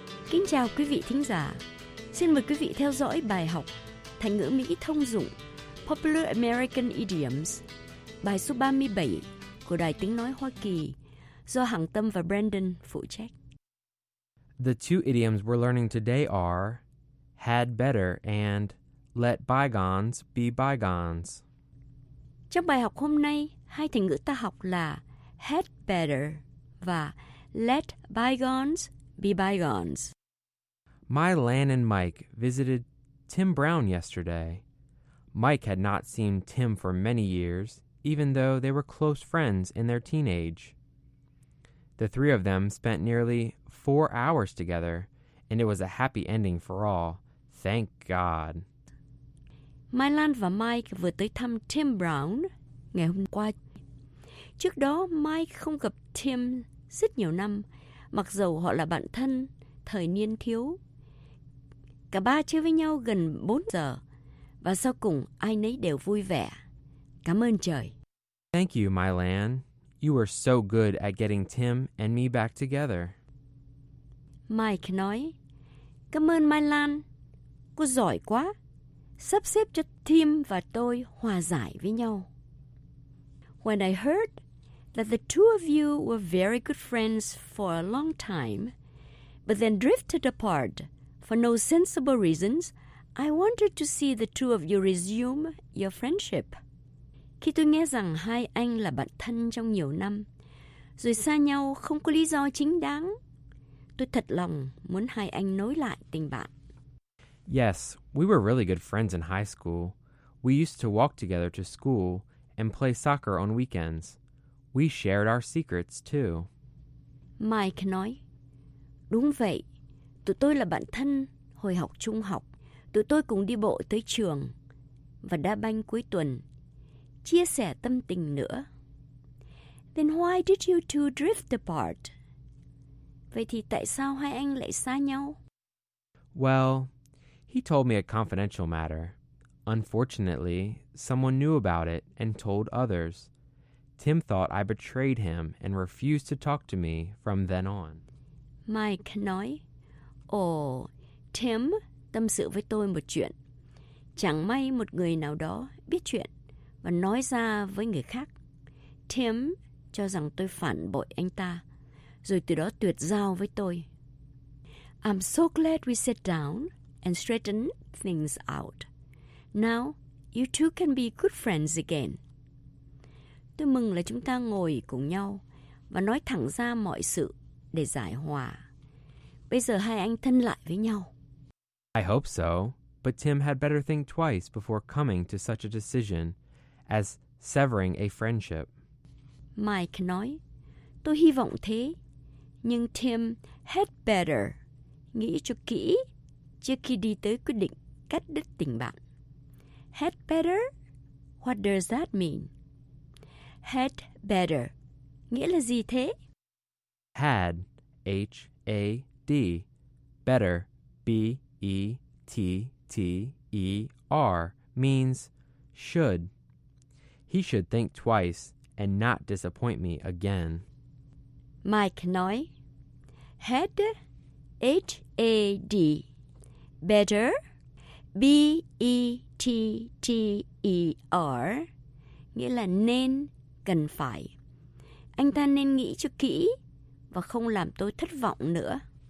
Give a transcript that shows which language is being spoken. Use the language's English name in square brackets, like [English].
[Vietnamese] Kính chào quý vị thính giả. Xin mời quý vị theo dõi bài học thành ngữ Mỹ thông dụng [English] Popular American Idioms, [Vietnamese] bài số 37 của Đài Tiếng Nói Hoa Kỳ, do Hằng Tâm và Brandon phụ trách. [English] The two idioms we're learning today are had better and let bygones be bygones. [Vietnamese] Trong bài học hôm nay, hai thành ngữ ta học là had better và [English] let bygones be bygones. My Lan and Mike visited Tim Brown yesterday. Mike had not seen Tim for many years, even though they were close friends in their teenage. The three of them spent nearly 4 hours together, and it was a happy ending for all. Thank God. [Vietnamese] Mai Lan và Mike vừa tới thăm Tim Brown ngày hôm qua. Trước đó, Mike không gặp Tim rất nhiều năm, mặc dù họ là bạn thân thời niên thiếu. Cả ba chơi với nhau gần 4 giờ. Và sau cùng, ai nấy đều vui vẻ. Cảm ơn trời. [English] Thank you, Mylan. You were so good at getting Tim and me back together. [Vietnamese] Mike nói, cảm ơn Mylan. Cô giỏi quá. Sắp xếp cho Tim và tôi hòa giải với nhau. [English] When I heard that the two of you were very good friends for a long time, but then drifted apart for no sensible reasons, I wanted to see the two of you resume your friendship. [Vietnamese] Khi tôi nghe rằng hai anh là bạn thân trong nhiều năm, rồi xa nhau không có lý do chính đáng, tôi thật lòng muốn hai anh nối lại tình bạn. [English] Yes, we were really good friends in high school. We used to walk together to school and play soccer on weekends. We shared our secrets too. [Vietnamese] Mike nói, đúng vậy, tụi tôi là bạn thân hồi học trung học. Tụi tôi cùng đi bộ tới trường và đá banh cuối tuần, chia sẻ tâm tình nữa. [English] Then why did you two drift apart? [Vietnamese] Vậy thì tại sao hai anh lại xa nhau? [English] Well, he told me a confidential matter. Unfortunately, someone knew about it and told others. Tim thought I betrayed him and refused to talk to me from then on. [Vietnamese] Mike nói, ồ, Tim tâm sự với tôi một chuyện. Chẳng may một người nào đó biết chuyện và nói ra với người khác. Tim cho rằng tôi phản bội anh ta, rồi từ đó tuyệt giao với tôi. [English] I'm so glad we sat down and straightened things out. Now, you two can be good friends again. [Vietnamese] Tôi mừng là chúng ta ngồi cùng nhau và nói thẳng ra mọi sự để giải hòa. Bây giờ hai anh thân lại với nhau. [English] I hope so, but Tim had better think twice before coming to such a decision as severing a friendship. [Vietnamese] Mike nói, tôi hy vọng thế, nhưng Tim [English] had better [Vietnamese] nghĩ cho kỹ trước khi đi tới quyết định cắt đứt tình bạn. [English] Had better? What does that mean? Had better [Vietnamese] nghĩa là gì thế? [English] Had, H-A-D, better, B-E-T-T-E-R, means should. He should think twice and not disappoint me again. [Vietnamese] Mike nói, [English] had, H-A-D, better, B-E-T-T-E-R, [Vietnamese] nghĩa là nên, cần phải. Anh ta nên nghĩ cho kỹ và không làm tôi thất vọng nữa.